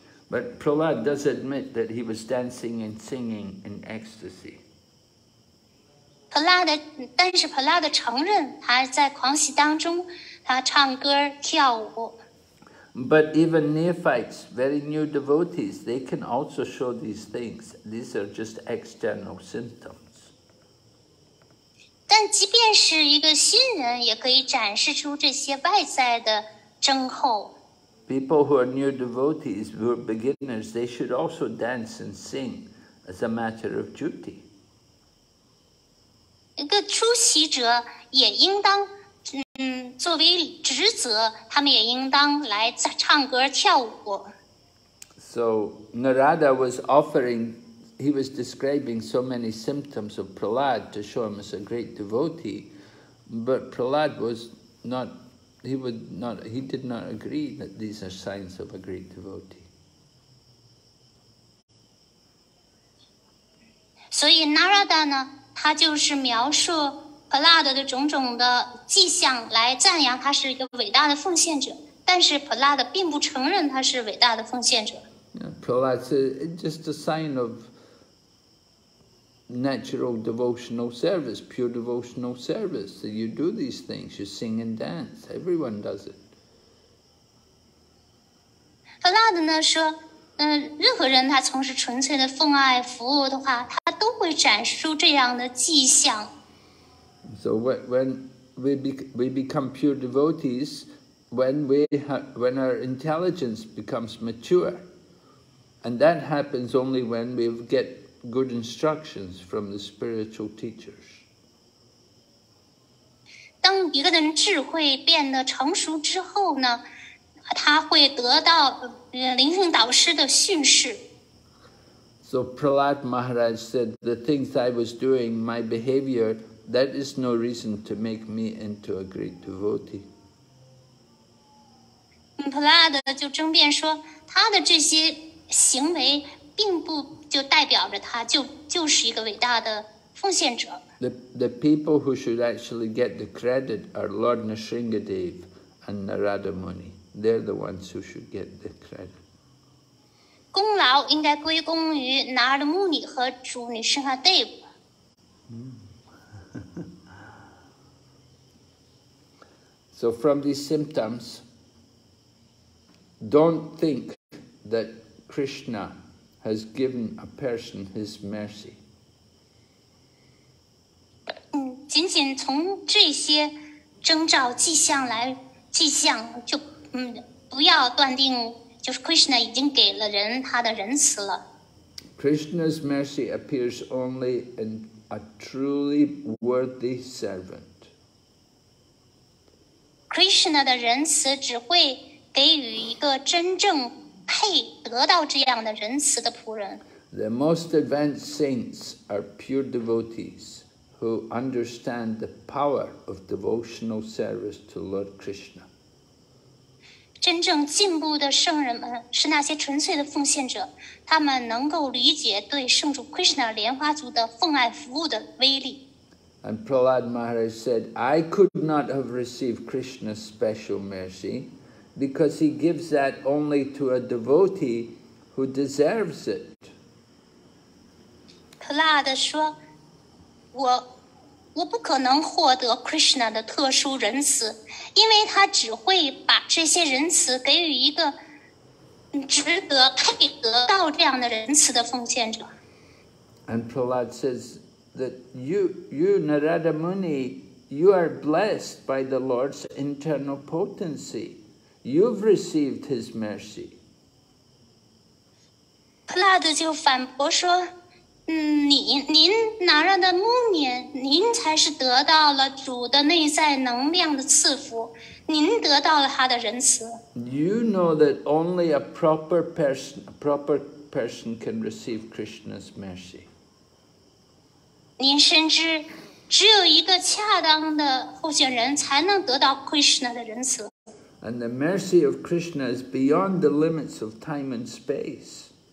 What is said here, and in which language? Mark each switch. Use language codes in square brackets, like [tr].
[en] But Prahlad does admit that he was dancing and singing in ecstasy. [zh] Prahlad 但是 Prahlad 承认他在狂喜当中，他唱歌跳舞。 [en] But even neophytes, very new devotees, they can also show these things. These are just external symptoms. [zh] 但即便是一个新人也可以展示出这些外在的征候。 [en] People who are new devotees, who are beginners, they should also dance and sing as a matter of duty. [zh] 一个初习者也应当作为职责，他们也应当来唱歌跳舞。 [en] So Narada was offering, he was describing so many symptoms of Prahlad to show him as a great devotee, but Prahlad was not, he would not, he did not agree that these are signs of a great devotee. [zh] 所以 Narada 呢，他就是描述。Prahlad 的种种的迹象来赞扬他是一个伟大的奉献者，但是 Prahlad 并不承认他是伟大的奉献者。 [en] Yeah, Prahlad is just a sign of natural devotional service, pure devotional service. That you do these things, you sing and dance. Everyone does it. [zh] Prahlad 呢说，任何人他从事纯粹的奉爱服务的话，他都会展示出这样的迹象。 [en] So when we become pure devotees, when our intelligence becomes mature, and that happens only when we get good instructions from the spiritual teachers. [zh] 当一个人智慧变得成熟之后呢，他会得到灵性导师的训示。 [en] So Prahlad Maharaj said, "The things I was doing, my behavior." That is no reason to make me into a great devotee. [zh] Prahlad 就争辩说，他的这些行为并不就代表着他就是一个伟大的奉献者。 [en] The people who should actually get the credit are Lord Nrisingadev and Narada Muni. They're the ones who should get the credit. [zh] 功劳应该归功于 Narada Muni 和主 Nrisingadev。 [en] So from these symptoms, don't think that Krishna has given a person his mercy. [zh] 仅仅从这些征兆迹象来迹象，就不要断定就是 Krishna 已经给了人他的仁慈了。 [en] Krishna's mercy appears only in a truly worthy servant. [zh] Krishna 的仁慈只会给予一个真正配得到这样的仁慈的仆人。 [en] The most advanced saints are pure devotees who understand the power of devotional service to Lord Krishna. [zh] 真正进步的圣人们是那些纯粹的奉献者，他们能够理解对圣主 Krishna 莲花族的奉爱服务的威力。 [en] And Prahlad Maharaj said, I could not have received Krishna's special mercy because he gives that only to a devotee who deserves it. [zh] Prahlad 说, 我不可能获得 Krishna 的特殊仁慈，因为他只会把这些仁慈给予一个值得、配得到这样的仁慈的奉献者。 [en] And Prahlad says that you Narada Muni, you are blessed by the Lord's internal potency. You've received His mercy. [zh] Prahlad 就反驳说。您拿着的木棉，您才是得到了主的内在能量的赐福，您得到了他的仁慈。 [en] You know that only a proper person can receive Krishna's mercy. [zh] 您深知，只有一个恰当的候选人才能得到 Krishna 的仁慈。 [en] And the mercy of Krishna is beyond the limits of time and space.